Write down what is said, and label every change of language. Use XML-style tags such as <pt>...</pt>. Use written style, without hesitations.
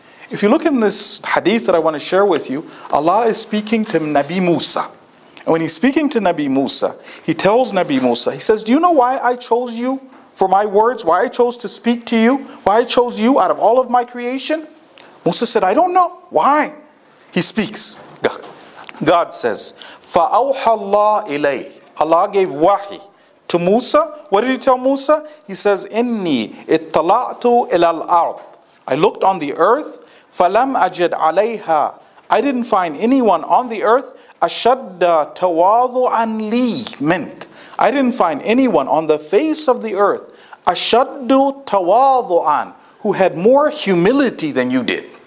<en>If you look in this hadith that I want to share with you, Allah is speaking to Nabi Musa. And when he's speaking to Nabi Musa, he tells Nabi Musa, he says, do you know why I chose you? For my words, why I chose to speak to you, why I chose you out of all of my creation? Musa said, I don't know. Why? He speaks. God says,</en> <ar>فَأَوْحَى اللَّهُ إِلَيْهِ.</ar> <en>Allah gave wahi to Musa. What did he tell Musa? He says,</en> <ar>إِنِّي اِطَّلَعْتُ إِلَى الْأَرْضِ.</ar> <en>I looked on the earth,</en> <ar>فَلَمْ أَجِدْ عَلَيْهَا.</ar> <en>I didn't find anyone on the earth,</en> <ar>أَشَدَّ تَوَاضُعًا لِي مِنْكَ.</ar> <en>I didn't find anyone on the face of the earth,</en> <ar>أَشَدُّ تَوَاضُعًا,</ar> <en>who had more humility than you did.</en>